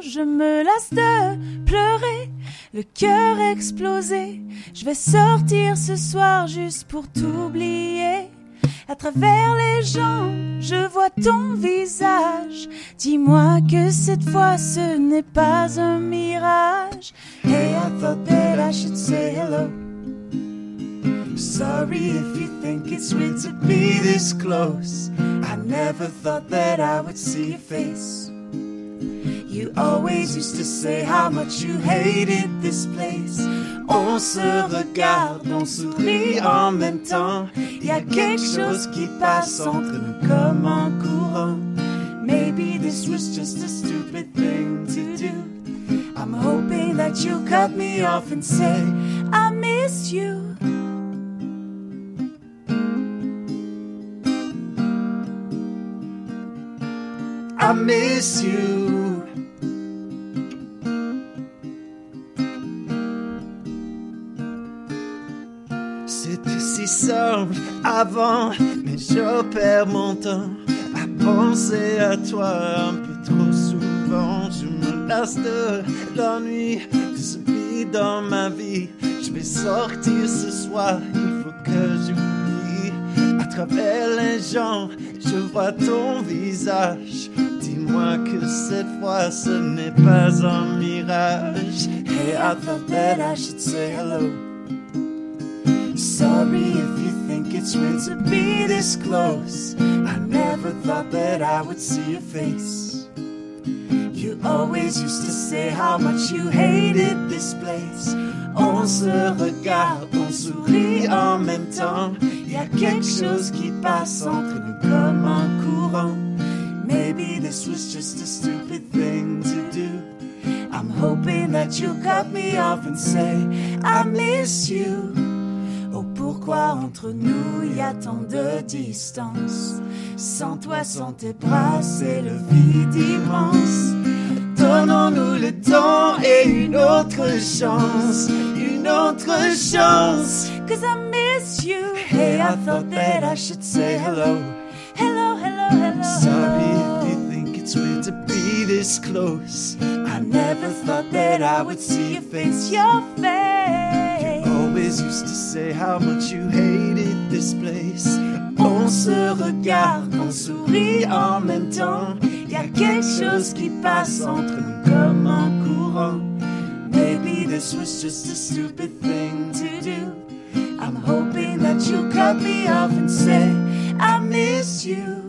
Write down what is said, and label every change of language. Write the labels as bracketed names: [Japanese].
[French] Je me lasse de pleurer, le cœur explosé. Je vais sortir ce soir juste pour t'oublier. À travers les gens, je vois ton visage. Dis-moi que cette fois, ce n'est pas un mirage. [English] Hey, I thought that I should say hello. Sorry if you think it's weird to be this close. I never thought that I would see your face. You always used to say how much you hated this place. [French] On se regarde, on sourit en même temps. Y'a quelque chose qui passe entre nous comme un courant. [English] Maybe this was just a stupid thing to do. I'm hoping that you'll cut me off and say I miss you. I miss you. [French] C'était si simple avant, mais je perds mon temps à penser à toi un peu trop souvent. Je me lasse de l'ennui, de ce vide dans ma vie. Je vais sortir ce soir, il faut que j'oublie. À travers les gens, je vois ton visage. Dis-moi que cette fois ce n'est pas un mirage. [English] day I felt that I should say hello. Sorry if you think it's weird to be this close. I never thought that I would see your face. You always used to say how much you hated this place. [French] On se regarde, on sourit en même temps. Y'a quelque chose qui passe entre nous comme un courant. [English] Maybe this was just a stupid thing to do. I'm hoping that you cut me off and say I miss you. [French] Oh, pourquoi entre nous y a tant de distance? Sans toi, sans tes bras, c'est le vide immense. Donnons-nous le temps et une autre chance. Une autre chance. [English] 'Cause I miss you. Hey, I thought that I should say hello. Hello, hello, hello. Sorry if you think it's weird to be this close. I never thought that I would see your face. Your face. You always used to say how much you hated this place. [French] On se regarde, on sourit en même temps. Y'a quelque chose qui passe entre nous comme un courant. [English] Maybe this was just a stupid thing to do. I'm hoping that you'll cut me off and say I miss you.